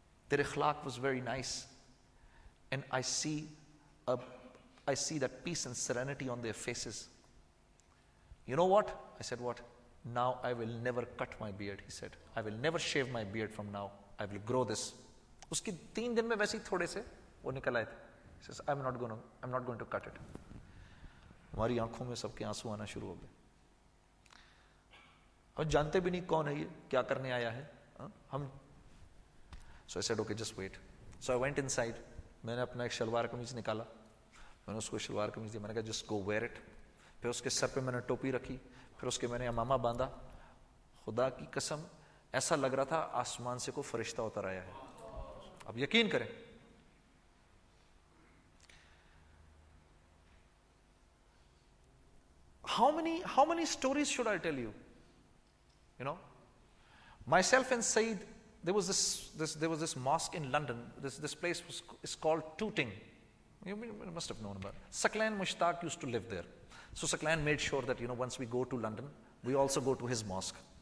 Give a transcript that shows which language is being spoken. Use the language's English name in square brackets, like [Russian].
[English] Their ikhlaq was very nice. And I see that peace and serenity on their faces. You know what? I said, what? Now I will never cut my beard, he said. I will never shave my beard from now. I will grow this. [Hindi] Uski 3 din mein waise hi thode se wo nikal aaye the. [English] He says, I'm not going to cut it. [Hindi] हमारी आंखों में सबके आंसू आना शुरू हो गए और जानते भी नहीं कौन है ये क्या करने आया है हम [English] so I said okay just wait so I went inside [Hindi] मैंने अपना एक शलवार कमीज निकाला मैंने उसको शलवार कमीज दिया मैंने कहा [English] just go wear it [Hindi] फिर उसके सर पे मैंने टोपी रखी फिर उसके मैंने अमामा बांधा खुदा की कसम ऐसा लग रहा था आसमान से कोई फरिश्ता उतर आया है अब यकीन करें [English] How many stories should I tell you? You know, myself and Saeed, there was this mosque in London. This place is called Tooting. You must have known about it. Saqlain Mushtaq used to live there. So Saqlain made sure that, once we go to London, we also go to his mosque.